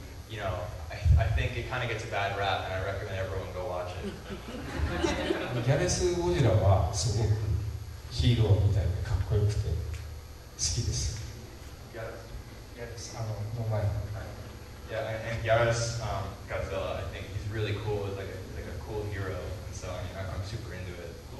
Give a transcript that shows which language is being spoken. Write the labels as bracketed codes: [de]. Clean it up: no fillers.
[en] You know, I think it kind of gets a bad rap, and I recommend everyone go watch it. [ja] ギャレス・ゴジラはすごくヒーローみたいでかっこよくて好きです。 [en] Yes. [ja] あの、の前の。 [en] Yeah, and Yaris Godzilla, I think he's really cool, with like a cool hero, and so I mean, I'm super into it.